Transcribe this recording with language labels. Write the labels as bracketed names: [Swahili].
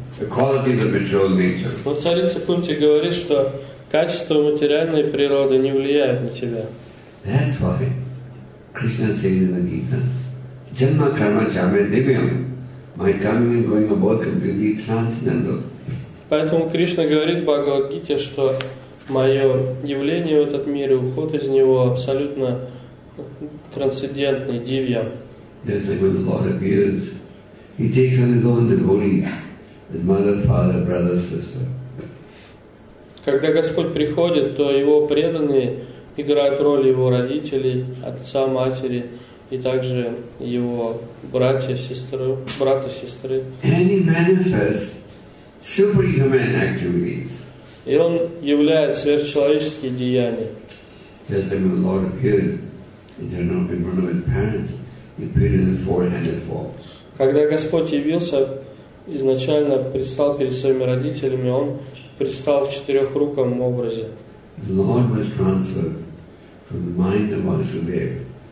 [Russian] Но царица Кунти говорит, что качество материальной природы не влияет на тебя. [English] That's why Krishna says in the Gita, Janma Karma Chame Divyam. My coming and going are both completely transcendental. [Russian] Поэтому Кришна говорит в Бхагавад-гите, что мое явление в этот мир и уход из него абсолютно трансцендентный, дивья. [English] Just like when the Lord appears, He takes on His own devotees, His mother, father, brother, sister. [Russian] Когда Господь приходит, то Его преданные играют роль Его родителей, отца, матери, и также его братья, сестры, брат и сестры. [English] And he manifests superhuman activities. [Russian] И он являет сверхчеловеческие деяния. [English] Just like when the Lord appeared in Jagannath's parents, he appeared in the four-headed form. [Russian] Когда Господь явился, изначально предстал перед своими родителями, он предстал в четырехруком образе. [English] The Lord was transferred from the mind of Vasudeva.